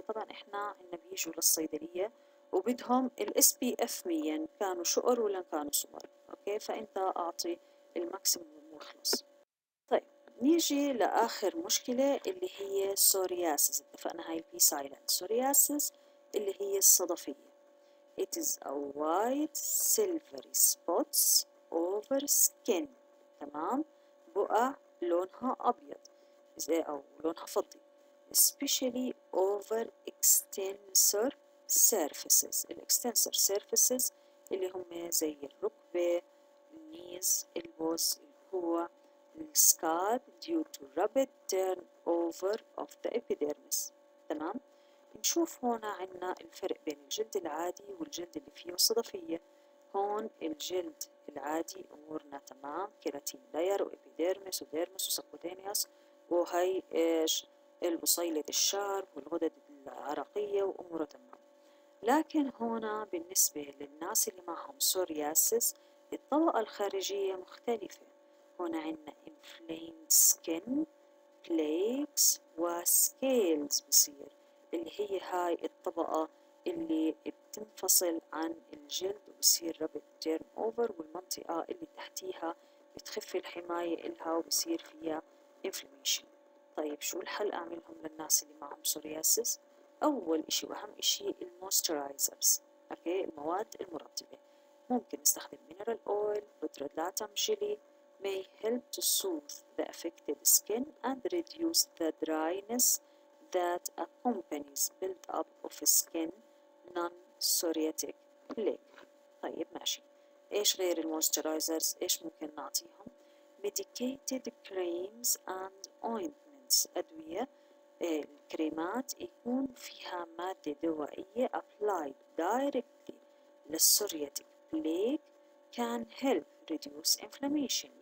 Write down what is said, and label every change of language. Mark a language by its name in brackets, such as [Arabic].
[Arabic] طبعا احنا عنا بيجوا للصيدلية وبدهم ال SPF 100، كانوا شقر ولا كانوا صغر، اوكي؟ فانت اعطي الماكسيموم وخلص. نيجي لآخر مشكلة اللي هي سورياسيس، اتفقنا هاي البي سايلنت. سورياسيس اللي هي الصدفية. [English] It is a white silvery spots over skin، [Arabic] تمام؟ بقع لونها أبيض أو لونها فضي. [English] Especially over extensor surfaces. الإكستنسر surfaces [Arabic] اللي هم زي الركبة، [English] النيز، البوز، هو scarred due to rapid turnover of the epidermis. [Arabic] تمام؟ نشوف هنا عنا الفرق بين الجلد العادي والجلد اللي فيه صدفية. هون الجلد العادي أمورنا تمام، كيراتين لاير وإبيديرمس وديرمس وسكوتينيوس، وهي إيش؟ البصيلة الشعر والغدد العرقية وأموره تمام. لكن هنا بالنسبة للناس اللي معهم سورياسيس، الطبقة الخارجية مختلفة. هنا عندنا [English] inflamed skin, flakes [Arabic] وscales بصير، اللي هي هاي الطبقة اللي بتنفصل عن الجلد وبصير [English] rapid turnover، [Arabic] والمنطقة اللي تحتيها بتخف الحماية إلها وبصير فيها inflammation. طيب شو الحل أعملهم للناس اللي معهم psoriasis؟ أول إشي وأهم إشي الموسترايزرز، أوكي؟ المواد المرطبة. ممكن نستخدم [English] mineral oil، بودرة لاتم jelly, may help to soothe the affected skin and reduce the dryness that accompanies build up of skin non-psoriatic flake. [Arabic] طيب ماشي، ايش غير الموسترايزرز ايش ممكن نعطيهم؟ [English] medicated creams and ointments، [Arabic] ادوية الكريمات يكون فيها مادة دوائية applied directly للسوريتيك flake [English] can help reduce inflammation.